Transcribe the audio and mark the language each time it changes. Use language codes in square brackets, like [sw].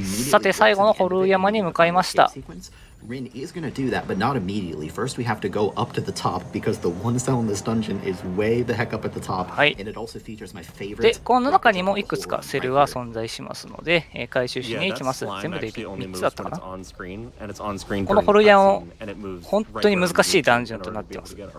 [ja] さて、最後のホルー山に向かいました。 [en] Rin is going to do that, but not immediately. First, we have to go up to the top because the one cell in this dungeon is way the heck up at the top. はい。And it also features my favorite. [ja] で、この中にもいくつかセルは存在しますので、回収しに行きます。全部で3つだったかな。このホルヤンを本当に難しいダンジョンとなっています。